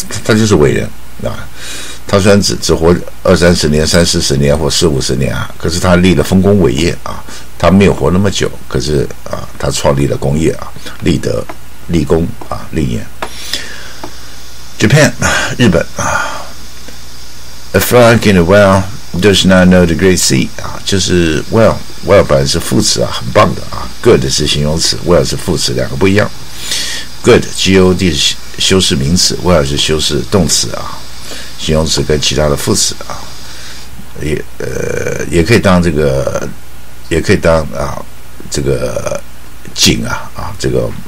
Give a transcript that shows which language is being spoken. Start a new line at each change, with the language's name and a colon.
Chinese: 他就是伟人啊，他虽然只活二三十年、三四十年或四五十年啊，可是他立了丰功伟业啊，他没有活那么久，可是啊，他创立了功业啊，立德、立功啊、立业。Japan， 日本啊。
English: A frog in a well does not know the great sea
Chinese: 啊，就是 well well 本来是副词啊，很棒的啊。 Good 是形容词 ，well 是副词，两个不一样。Good G O D 是修饰名词 ，well 是修饰动词啊，形容词跟其他的副词啊，也可以当这个，也可以当啊这个井啊啊这个。